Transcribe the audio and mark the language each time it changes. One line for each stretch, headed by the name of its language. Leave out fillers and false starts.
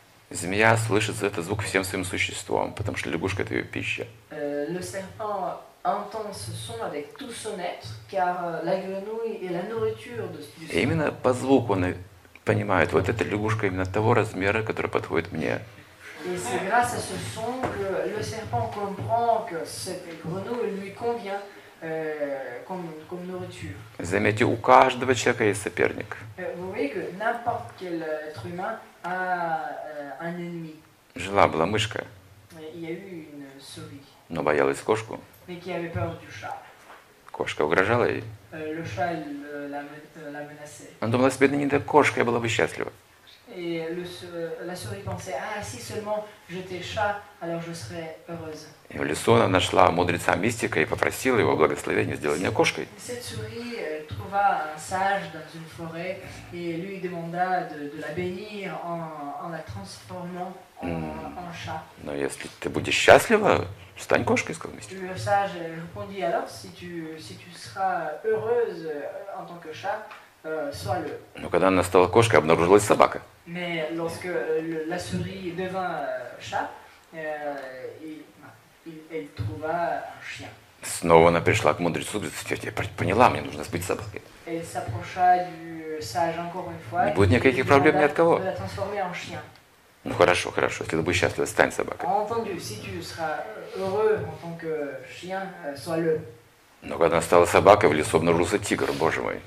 Russian: Змея слышит этот звук всем своим существом, потому что лягушка – это ее пища.
French: Le serpent entend ce son avec tout son être, car la grenouille est la nourriture de ce son.
Russian: Именно по звуку он понимает, вот эта лягушка именно того размера, который подходит мне.
French: Et c'est grâce à ce son que le serpent comprend que cette grenouille lui convient comme nourriture.
Russian: Заметьте, у каждого человека есть соперник.
French: Vous voyez que n'importe quel être humain a un ennemi.
Russian: Жила была мышка.
French: Il y a eu une souris.
Russian: Но боялась кошку.
French: Mais qui avait peur du chat.
Russian: Кошка угрожала ей.
French: Le chat la menaçait.
Russian: Она думала, если бы это не та кошка, я была бы счастлива.
French: Et la souris pensait, ah, si seulement j'étais chat, alors je serais heureuse.
Russian: И в лесу она нашла мудреца мистика и попросила его благословения сделать меня кошкой.
French: Cette souris trouva un sage dans une forêt et lui demanda de la bénir en la transformant en chat.
Russian: Но если ты будешь счастлива, стань кошкой, сказал мистик.
French: Le sage répondit alors si tu seras heureuse en tant que chat, sois-le.
Russian: Но когда она стала кошкой, обнаружилась собака.
French: Mais lorsque la souris devint chat, elle trouva un chien.
Russian: Снова она пришла к мудрецу, говорит, я поняла, мне нужно быть собакой.
French: Elle s'approcha du sage encore une fois.
Russian: Не будет никаких проблем ни от кого.
French: De la transformer en chien.
Russian: Ну хорошо, если ты будешь счастлива, стань собакой.
French: Entendu, si tu seras heureux en tant que chien, sois-le.
Russian: Но когда она стала собакой, в лесу обнаружился тигр, боже мой.